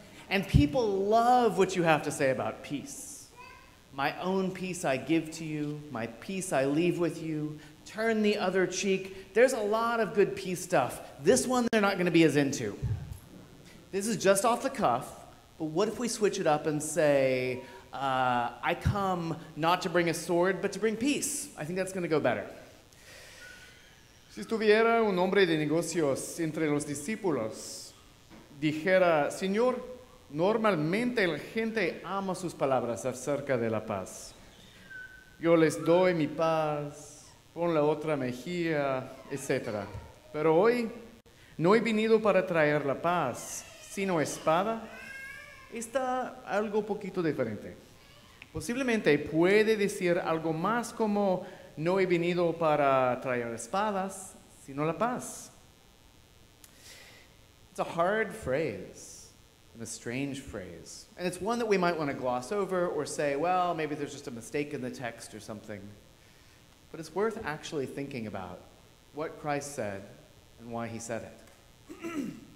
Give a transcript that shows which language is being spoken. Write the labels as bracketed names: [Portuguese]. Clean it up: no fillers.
[English] And people love what you have to say about peace. My own peace I give to you, my peace I leave with you, turn the other cheek. There's a lot of good peace stuff. This one they're not going to be as into. This is just off the cuff, but what if we switch it up and say, I come not to bring a sword, but to bring peace. I think that's going to go better. [Spanish] Si estuviera un hombre de negocios entre los discípulos, dijera, Señor, normalmente la gente ama sus palabras acerca de la paz. Yo les doy mi paz, pon la otra mejilla, etc. Pero hoy no he venido para traer la paz, sino espada. Está algo poquito diferente. Posiblemente puede decir algo más como, no he venido para traer espadas, sino la paz. [English] It's a hard phrase, and a strange phrase. And it's one that we might want to gloss over or say, well, maybe there's just a mistake in the text or something. But it's worth actually thinking about what Christ said and why he said it.